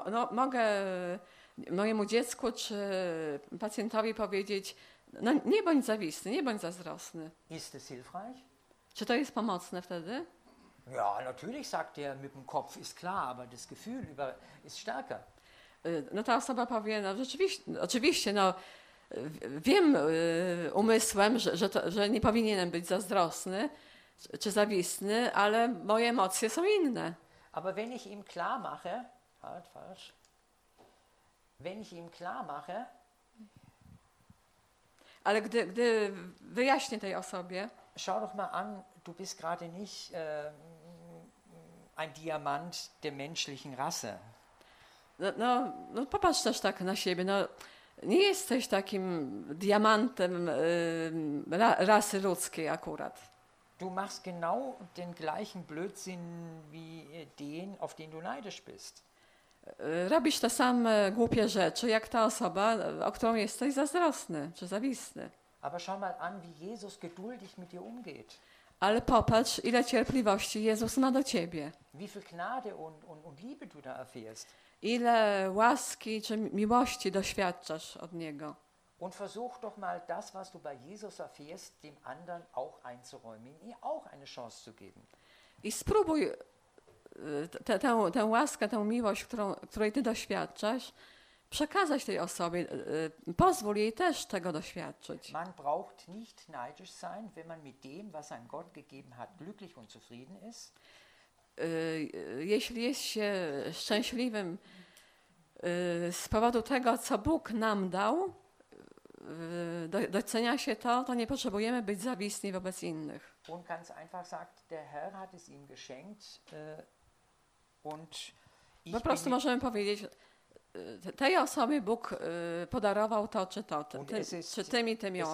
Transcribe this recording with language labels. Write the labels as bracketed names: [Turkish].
[Polish] Mogę mojemu dziecku czy pacjentowi powiedzieć, no nie bądź zawisny, nie bądź zazdrosny. [German] Ist es hilfreich? [Polish] Czy to jest pomocne wtedy? [German] Ja, natürlich sagt er mit dem Kopf, ist klar, aber das Gefühl ist stärker. [Polish] No ta osoba powie, no rzeczywiście, oczywiście, no wiem umysłem, że nie powinienem być zazdrosny czy zawisny, ale moje emocje są inne. [German] Aber wenn ich ihm klar mache, halt, falsch, wenn ich ihm klar mache, [Polish] ale gdy wyjaśnię tej osobie, [German] schau doch mal an, du bist gerade nicht ein Diamant der menschlichen Rasse. [Polish] No, popatrz też tak na siebie. No, nie jesteś takim diamantem rasy ludzkiej akurat. [German] Du machst genau den gleichen Blödsinn wie den, auf den du neidisch bist. [Polish] Robisz te same głupie rzeczy, jak ta osoba, o którą jesteś zazdrosny czy zawisny. [German] Aber schau mal an, wie Jesus geduldig mit dir umgeht. [Polish] Ale popatrz, ile cierpliwości Jezus ma do ciebie. [German] Wie viel Gnade und Liebe du da erfährst. [Polish] Ile łaski czy miłości doświadczasz od Niego. [German] Und versuch doch mal das, was du bei Jesus erfährst, dem anderen auch einzuräumen, ihm auch eine Chance zu geben. [Polish] I spróbuj tę łaskę, tę miłość, której ty doświadczasz, przekazać tej osobie, pozwól jej też tego doświadczyć. [German] Man braucht nicht neidisch sein, wenn man mit dem, was einem Gott gegeben hat, glücklich und zufrieden ist. [Polish] Jeśli jest się szczęśliwym z powodu tego, co Bóg nam dał, docenia się to, to nie potrzebujemy być zawistni wobec innych. [German] Und ganz einfach sagt, der Herr hat es ihm geschenkt, und [Polish] po prostu możemy powiedzieć, tej osobie Bóg podarował to, czy to, czy tym i tym ją